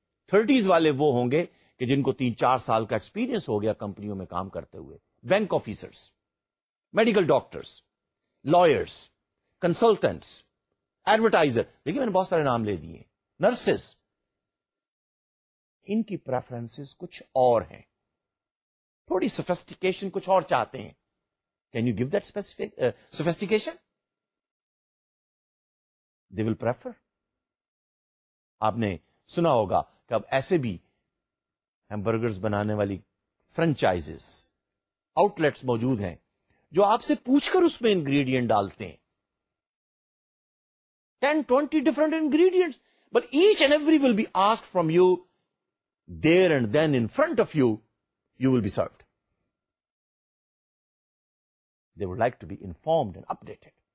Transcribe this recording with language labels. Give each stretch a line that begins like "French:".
Urdu: Thirties والے وہ ہوں گے کہ جن کو تین چار سال کا ایکسپیرینس ہو گیا کمپنیوں میں کام کرتے ہوئے, bank officers, medical doctors, lawyers, consultants, advertiser, دیکھیے میں نے بہت سارے نام لے دیے, نرسز, ان کی پریفرنسز کچھ اور ہیں, تھوڑی سوفیسٹیکیشن کچھ اور چاہتے ہیں.
English: Can you give that specific sophistication? They will prefer.
Urdu: آپ نے سنا ہوگا کہ اب ایسے بھی ہیمبرگرز بنانے والی فرنچائزز آؤٹ لیٹس موجود ہیں جو آپ سے پوچھ کر اس میں انگریڈینٹ ڈالتے ہیں, 10-20 different ingredients,
English: But each and every will be asked from you there and then in front of you, you will be served, they would like to be informed and updated.